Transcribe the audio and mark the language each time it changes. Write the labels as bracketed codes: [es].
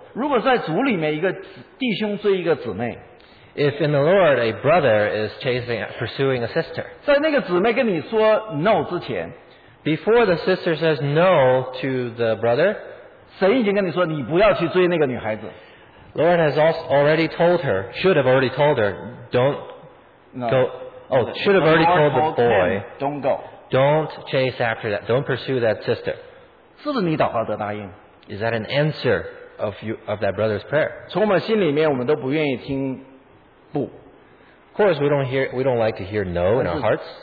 [zh] 如果在主里面一个弟兄追一个姊妹， [en] If in the Lord a brother is pursuing a sister, [zh] 在那个姊妹跟你说 no 之前， [en] Before the sister says no to the brother, [zh] 神已经跟你说你不要去追那个女孩子。 [en] Lord has already told her, should have already told her, don't go, Oh, should have already told the boy, don't go. Don't chase after that. Don't pursue that sister. [zh] 是不是你祷告得答应? [en] Is that an answer of, you, of that brother's prayer? [zh] 从我们心里面我们都不愿意听, [en] of course, we don't like to hear no in our hearts.